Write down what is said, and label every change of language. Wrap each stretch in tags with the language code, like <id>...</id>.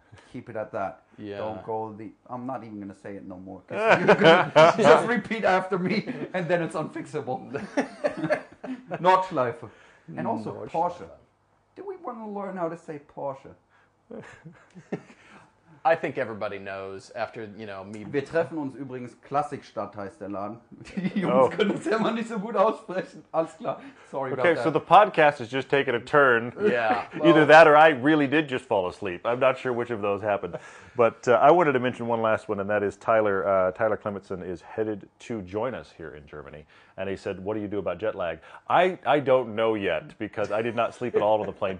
<en>Keep it at that. Yeah. Don't go I'm not even going to say it no more. You're gonna just repeat after me, and then it's unfixable. Nordschleife. And also Nordschleife. Porsche. Do we want to learn how to say Porsche? I think everybody knows after, me...</en> <de>Wir treffen uns übrigens Klassikstadt, heißt der Laden. Die Jungs können es ja mal nicht so gut aussprechen. Alles klar.</de> <en>Sorry about that. Okay, so the podcast has just taken a turn. Yeah. Either that or I really did just fall asleep. I'm not sure which of those happened. But I wanted to mention one last one, and that is Tyler. Tyler Clementson is headed to join us here in Germany. And he said, what do you do about jet lag? I don't know yet because I did not sleep at all on the plane.</en>